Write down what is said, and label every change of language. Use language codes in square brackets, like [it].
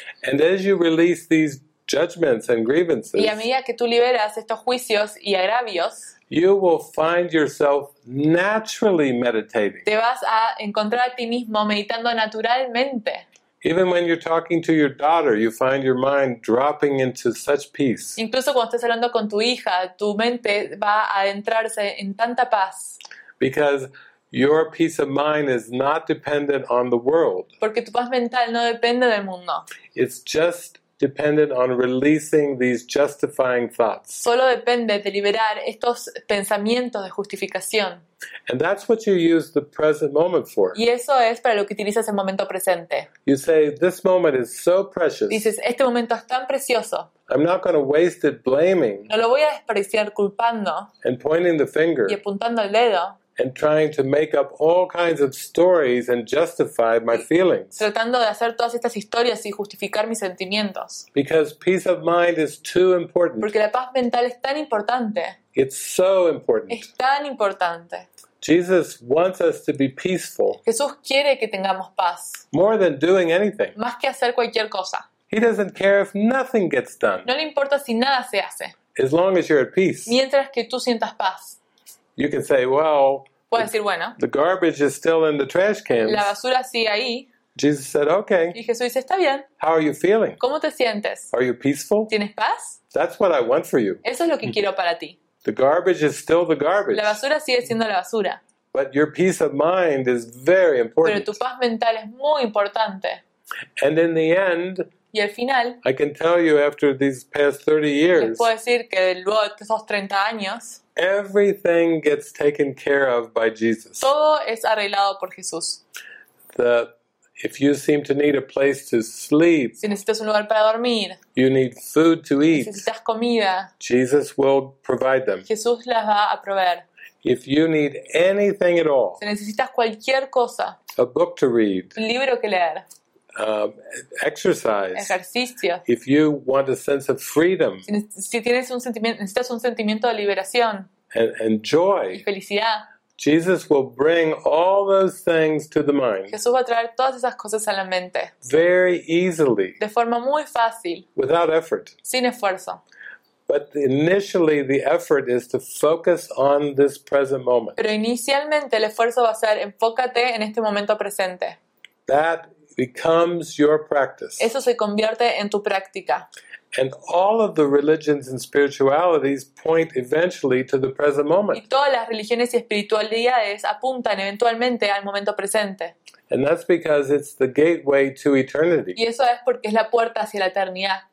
[en] And as you release these judgments and grievances. [es] Y a medida que tú liberas estos juicios y agravios. [en] You will find yourself naturally meditating. [es] Te vas a encontrar a ti mismo meditando naturalmente. [en] Even when you're talking to your daughter, you find your mind dropping into such peace. [es] Incluso cuando estás hablando con tu hija, tu mente va a adentrarse en tanta paz. [en] Because your peace of mind is not dependent on the world. [es] Porque tu paz mental no depende del mundo. [en] It's just dependent on releasing these justifying thoughts. [es] Solo depende de liberar estos pensamientos de justificación. [en] And that's what you use the present moment for. [es] Y eso es para lo que utilizas el momento presente. [en] You say, this moment is so precious. [es] Dices, este momento es tan precioso. [en] I'm not going to waste it blaming. [es] No lo voy a desperdiciar culpando. [en] And pointing the finger. [es] Y apuntando el dedo. [en] And trying to make up all kinds of stories and justify my feelings. [es] Tratando de hacer todas estas historias y justificar mis sentimientos. [en] Because peace of mind is too important. [es] Porque la paz mental es tan importante. [en] It's so important. [es] Es tan importante. [en] Jesus wants us to be peaceful. [es] Jesús quiere que tengamos paz. [en] More than doing anything. [es] Más que hacer cualquier cosa. [en] He doesn't care if nothing gets done. [es] No le importa si nada se hace. [en] As long as you're at peace. [es] Mientras que tú sientas paz. [en] You can say, well, [es] bueno, [en] the garbage is still in the trash cans. [es] La basura sigue ahí. [en] Jesus said, okay. [es] Y Jesús dice, está bien. [en] How are you feeling? [es] ¿Cómo te sientes? [en] Are you peaceful? [es] ¿Tienes paz? [en] That's what I want for you. [es] Eso es lo que quiero para ti. [en] The garbage is still the garbage. [es] La basura sigue siendo la basura. [en] But your peace of mind is very important. [es] Pero tu paz mental es muy importante. [en] And in the end, [es] y al final, [en] I can tell you after these past 30 years, [es] les puedo decir que luego de esos 30 años, [en] everything gets taken care of by Jesus. [es] Todo es arreglado por Jesús. [en] If you seem to need a place to sleep, [es] si necesitas un lugar para dormir, [en] you need food to eat, [es] necesitas comida, [en] Jesus will provide them. [es] Jesús las va a proveer. [en] If you need anything at all, [es] si necesitas cualquier cosa, [en] a book to read, [es] un libro que leer, [en] exercise. [es] Ejercicio. [en] If you want a sense of freedom, [es] si tienes un sentimiento, necesitas un sentimiento de liberación, [en] and joy, [es] y felicidad, [en] Jesus will bring all those things to the mind. [es] Jesús va a traer todas esas cosas a la mente. [en] Very easily. [es] De forma muy fácil. [en] Without effort. [es] Sin esfuerzo. [en] But initially, the effort is to focus on this present moment. [es] Pero inicialmente el esfuerzo va a ser enfócate en este momento presente. [en] That becomes your practice. [es] Eso se convierte en tu práctica. [en] And all of the religions and spiritualities point eventually to the present moment. [es] Y todas las religiones y espiritualidades apuntan eventualmente al momento presente. [en] And that's because it's the gateway to eternity. [es] Y eso es porque es la puerta hacia la eternidad.